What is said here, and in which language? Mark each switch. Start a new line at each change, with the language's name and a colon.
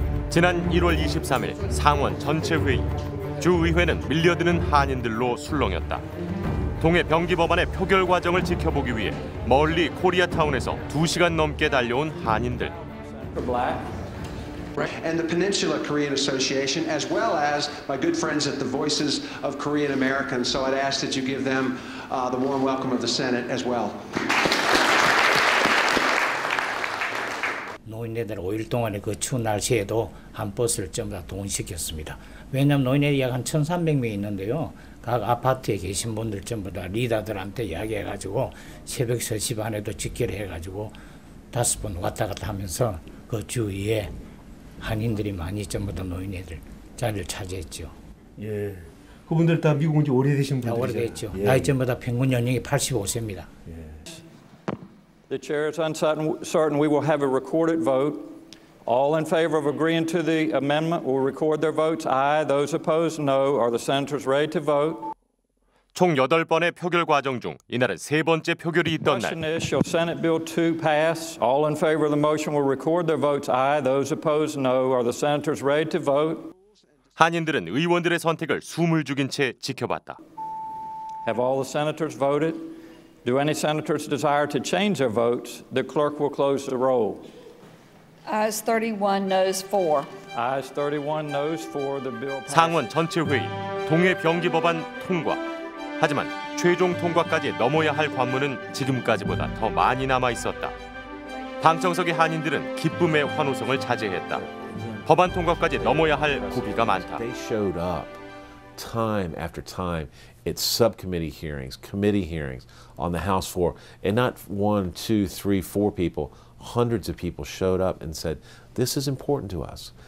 Korean: 지난 1월 23일 상원 전체 회의, 주 의회는 밀려드는 한인들로 술렁였다. 동해 병기 법안의 표결 과정을 지켜보기 위해 멀리 코리아타운에서 2시간 넘게 달려온 한인들.
English: And the Peninsula Korean Association, as well as my good friends at the Voices of Korean Americans. So I'd ask that you give them the warm welcome of the Senate as well.
Korean: 노인네들 5일 동안의 그 추운 날씨에도 한 버스를 전부 다 동원시켰습니다. 왜냐하면 노인네들이 약 한 1,300명 있는데요. 각 아파트에 계신 분들 전부 다 리더들한테 이야기해가지고 새벽 3시 반에도 직결해가지고 다섯 번 왔다 갔다 하면서 그 주위에 한인들이 많이 전부 다 노인네들 자리를 차지했죠. 예, 그분들 다 미국 온 지 오래되신 분들이죠. 오래됐죠. 예. 나이 전부 다 평균 연령이 85세입니다. 예.
English: The chair is uncertain. We will have a recorded vote. All in favor of agreeing to the amendment will record their votes. Aye. Those opposed, no. Are the senators ready to vote?
Korean: 총 8번의 표결 과정 중 이날은 세 번째 표결이 있던 날.
English: Question is, shall Senate Bill 2 pass? All in favor of the motion will record their votes. Aye. Those opposed, no. Are the senators ready to vote?
Korean: 한인들은 의원들의 선택을 숨을 죽인 채 지켜봤다.
English: Have all the senators voted? Do any senators desire to change their votes? The clerk will close the roll. Ayes 31, noes 4. Ayes 31, noes 4. The bill passed.
Korean: 상원 전체 회의, 동해 병기 법안 통과. 하지만 최종 통과까지 넘어야 할 관문은 지금까지보다 더 많이 남아 있었다. 방청석의 한인들은 기쁨의 환호성을 자제했다. 법안 통과까지 넘어야 할 고비가 많다.
English: They showed up time after time. It's subcommittee hearings, committee hearings on the House floor, and not one, two, three, four people. Hundreds of people showed up and said, "This is important to us.